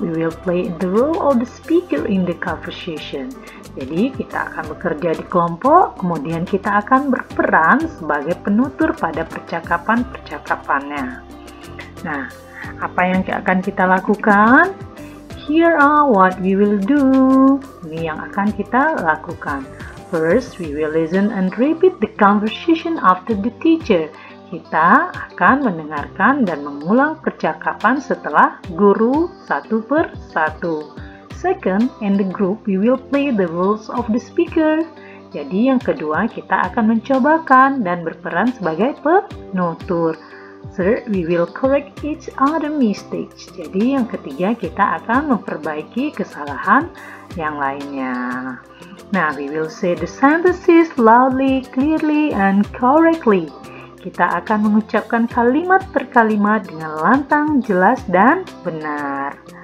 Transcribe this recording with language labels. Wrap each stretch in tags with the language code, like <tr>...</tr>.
<en>We will play the role of the speaker in the conversation.</en> <id>Jadi, kita akan bekerja di kelompok. Kemudian, kita akan berperan sebagai penutur pada percakapan-percakapannya. Nah, apa yang akan kita lakukan?</id> <en>Here are what we will do.</en> <id>Ini yang akan kita lakukan.</id> <en>First, we will listen and repeat the conversation after the teacher.</en> <id>Kita akan mendengarkan dan mengulang percakapan setelah guru satu per satu.</id> <en>Second, in the group, we will play the roles of the speaker.</en> <id>Jadi yang kedua, kita akan mencobakan dan berperan sebagai penutur.</id> <en>Third, we will correct each other mistakes.</en> <id>Jadi yang ketiga, kita akan memperbaiki kesalahan yang lainnya.</id> <en>Nah, we will say the sentences loudly, clearly, and correctly.</en> <id>Kita akan mengucapkan kalimat per kalimat dengan lantang, jelas, dan benar.</id>